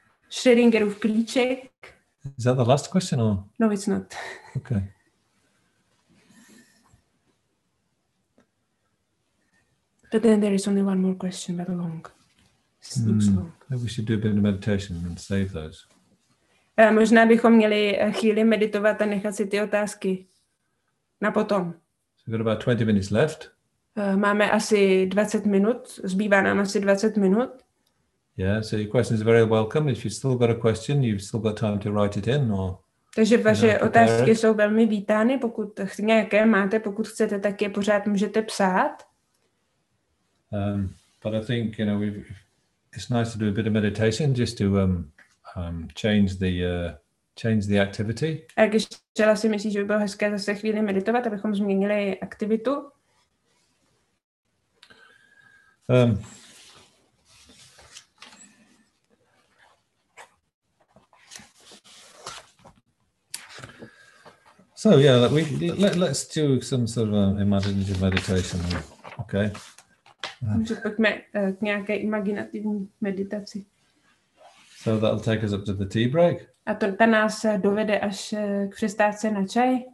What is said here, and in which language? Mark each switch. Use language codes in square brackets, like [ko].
[cs] Schrödingerův klíček. [en] Is that the last question or? No, it's not. Okay. But then there is only one more question, but long. Maybe we should do a bit of meditation and save those. [cs] Možná bychom měli chvíli meditovat a nechat si ty otázky na potom. [en] So we've got about 20 minutes left. [cs] Máme asi 20 minut, zbývá nám asi 20 minut. [en] Yeah, so your question is very welcome. If you've still got a question, you've still got time to write it in or... [cs] Takže vaše otázky jsou velmi vítány, pokud nějaké máte, pokud chcete, tak je pořád můžete psát. [en] But I think, you know, it's nice to do a bit of meditation just to change the activity. [cs] A když chtěla si myslí, že by bylo hezké zase chvíli meditovat, abychom změnili aktivitu. [en] So yeah, let's do some sort of imaginative meditation. Okay. [cs] Pojďme k nějaké imaginativní meditaci. [en] So that'll take us up to the tea break. [cs] A to ta nás dovede až k přestávce na čaj.